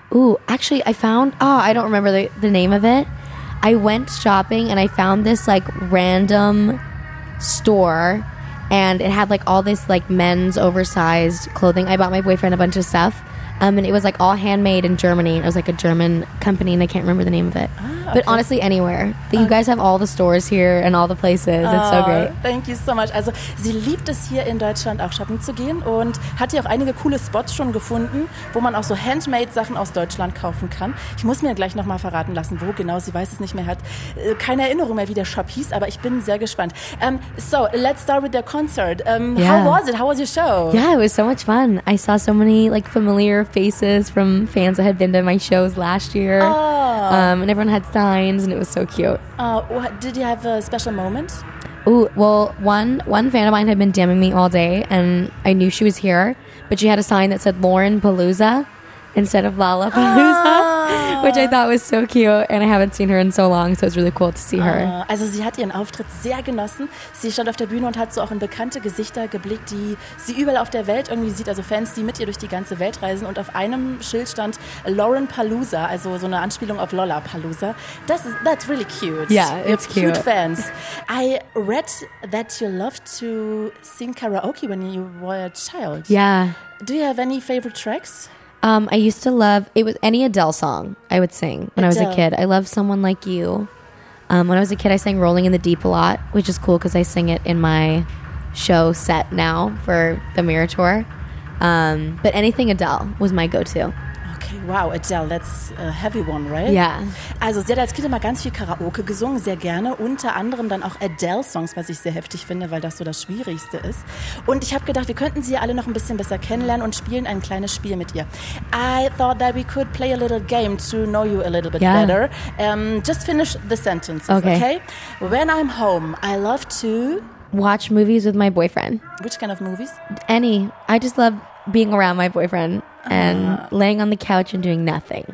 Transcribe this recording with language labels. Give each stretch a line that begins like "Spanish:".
English: Ooh, actually I found, I don't remember the name of it. I went shopping and I found this like random store and it had like all this like men's oversized clothing. I bought my boyfriend a bunch of stuff. And it was like all handmade in Germany. It was like a German company and I can't remember the name of it. Oh. But okay. Honestly, anywhere. You guys have all the stores here and all the places. It's so great. Thank you so much.
German: Also, sie liebt es hier in Deutschland auch shoppen zu gehen und hat hier auch einige coole Spots schon gefunden, wo man auch so Handmade-Sachen aus Deutschland kaufen kann. Ich muss mir gleich nochmal verraten lassen, wo genau. Sie weiß es nicht mehr. Hat keine Erinnerung mehr, wie der Shop hieß, aber ich bin sehr gespannt.
English: So, let's start with the concert. How was it? How was your show? Yeah, it was so much fun. I saw so many like familiar faces from fans that had been to my shows last year. Oh. And everyone had signs and it was so cute. Did you have a special moment? Ooh, well, one fan of mine had been DMing me all day and I knew she was here, but she had a sign that said Lauren Palooza instead of Lollapalooza. Oh. Which I thought was so cute and I haven't seen her in so long, so it's really cool to see her.
German: Also sie hat ihren Auftritt sehr genossen. Sie stand auf der Bühne und hat so auch in bekannte Gesichter geblickt, die sie überall auf der Welt irgendwie sieht, also Fans, die mit ihr durch die ganze Welt reisen und auf einem Schild stand Lauren Palooza, also so eine Anspielung auf Lollapalooza.
English: That's really cute. Yeah, it's cute. Cute fans. I read that you loved to sing karaoke when you were a child. Yeah. Do you have any favorite tracks? I used to love, it was any Adele song I would sing when Adele. I was a kid. I love Someone Like You. When I was a kid, I sang Rolling in the Deep a lot, which is cool because I sing it in my show set now for the Mirror Tour. But anything Adele was my go-to. Wow, Adele, that's a heavy one, right? Yeah.
German: Also sie hat als Kind immer ganz viel Karaoke gesungen, sehr gerne. Unter anderem dann auch Adele-Songs, was ich sehr heftig finde, weil das so das Schwierigste ist. Und ich habe gedacht, wir könnten sie alle noch ein bisschen besser kennenlernen und spielen ein kleines Spiel mit ihr.
English: I thought that we could play a little game to know you a little bit better. Just finish the sentences, okay? When I'm home, I love to... Watch movies with my boyfriend. Which kind of movies? Any. I just love being around my boyfriend. And laying on the couch and doing nothing.